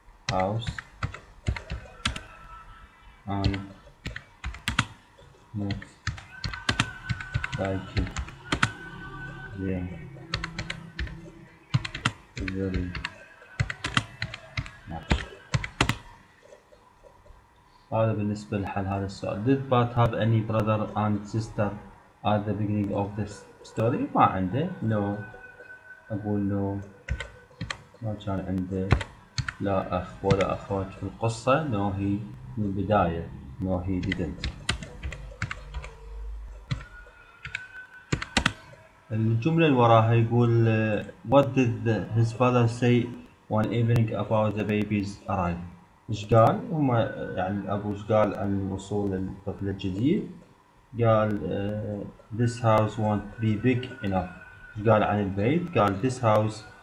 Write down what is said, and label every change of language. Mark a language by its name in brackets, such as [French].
[English] house and not like them very much. [Arabic] هذا بالنسبة لحل هذا السؤال. [English] Did Bart have any brother and sister at the beginning of this story? [Arabic] ما عنده. [English] No. [Arabic] أقول no. ما كان عنده لا أخ ولا أخوات في القصة. [English] No he [Arabic] من البداية. [English] No he didn't. [Arabic] الجملة اللي وراها يقول [English] What did his father say one evening about the baby's arrival؟ [Arabic] إيش قال؟ هما يعني الأبو إيش قال عن وصول الطفل الجديد؟ قال [English] This house won't be big enough. [Arabic] إيش قال عن البيت؟ قال [English] This house